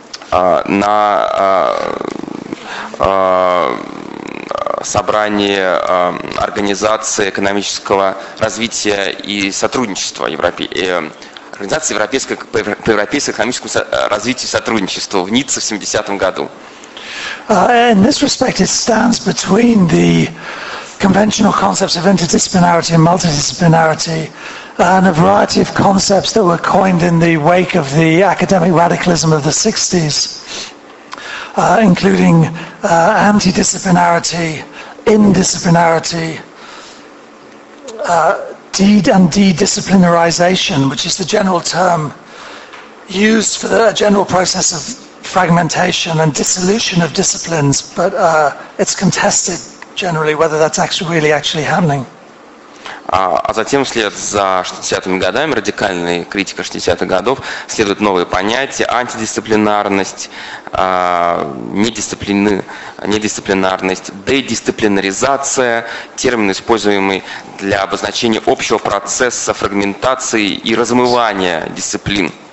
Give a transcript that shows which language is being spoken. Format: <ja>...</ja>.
<ru>на собрании Организации экономического развития и сотрудничества по европейскому экономическому развитию и сотрудничеству в Ницце в 70-м году.</ru> <en>In this respect, it stands between the conventional concepts of interdisciplinarity and multidisciplinarity and a variety of concepts that were coined in the wake of the academic radicalism of the 60s, including anti-disciplinarity, indisciplinarity, de-disciplinarization, which is the general term used for the general process of fragmentation and dissolution of disciplines, but it's contested generally whether that's actually happening.</en> <ru>А затем вслед за 60-ми годами, радикальной критикой 60-х годов, следуют новые понятия: антидисциплинарность, недисциплинарность, дедисциплинаризация, термин, используемый для обозначения общего процесса фрагментации и размывания дисциплин.</ru>